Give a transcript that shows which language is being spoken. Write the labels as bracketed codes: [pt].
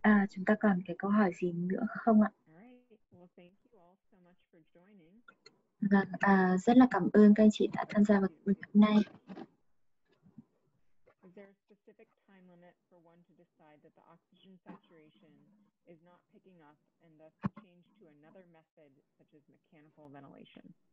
[vi] Chúng ta còn cái câu hỏi gì nữa không ạ? [en] All right. Well, thank you all so much for joining. [vi] Rất là cảm ơn các anh chị đã tham gia vào buổi hôm nay. [en] Is there a specific time limit for one to decide that the oxygen saturation is not picking up and thus change to another method such as mechanical ventilation?